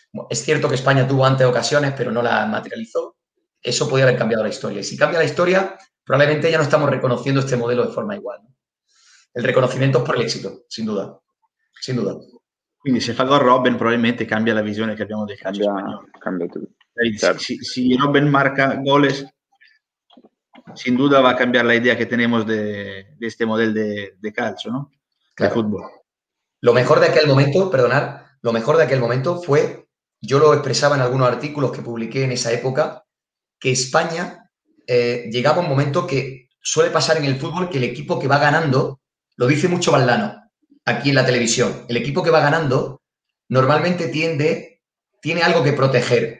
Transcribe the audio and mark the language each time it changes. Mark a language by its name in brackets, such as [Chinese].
[Spanish] Es cierto que España tuvo antes ocasiones, pero no la materializó. Eso podría haber cambiado la historia. Y si cambia la historia, probablemente ya no estamos reconociendo este modelo de forma igual. El reconocimiento es por el éxito, sin duda. Sin duda. [Italian] Quindi se fa gol Robben, [Spanish] probablemente [Italian] cambia la visione che abbiamo del calcio spagnolo. Cambia tutto. [Spanish] Si Robben marca goles, sin duda va a cambiar la idea que tenemos de este modelo de calcio, ¿no? Claro. De fútbol. Lo mejor de aquel momento, perdonad, lo mejor de aquel momento fue... Yo lo expresaba en algunos artículos que publiqué en esa época, que España llegaba un momento que suele pasar en el fútbol, que el equipo que va ganando, lo dice mucho Valdano aquí en la televisión, el equipo que va ganando normalmente tiene algo que proteger.